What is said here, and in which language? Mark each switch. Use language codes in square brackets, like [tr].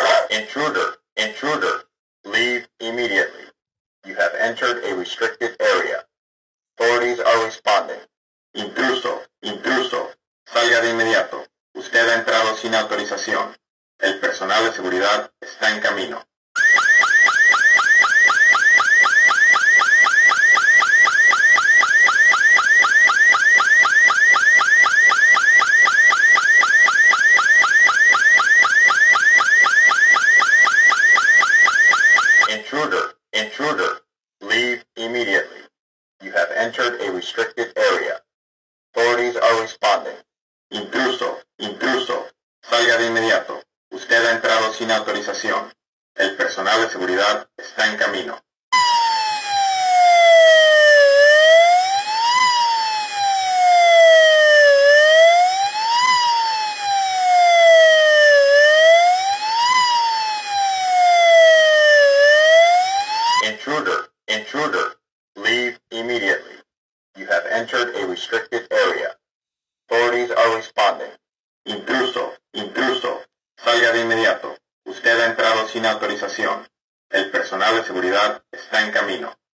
[en] Intruder, intruder, leave immediately. You have entered a restricted area. Authorities are responding. [es] Intruso, intruso, salga de inmediato. Usted ha entrado sin autorización. El personal de seguridad está en camino. [en] Intruder, intruder, leave immediately. You have entered a restricted area. Authorities are responding. [es] Intruso, intruso, salga de inmediato. Usted ha entrado sin autorización. El personal de seguridad está en camino. [en] Intruder, intruder, leave immediately. You have entered a restricted area. Authorities are responding. [es] Intruso, intruso, salga de inmediato. Usted ha entrado sin autorización. El personal de seguridad está en camino.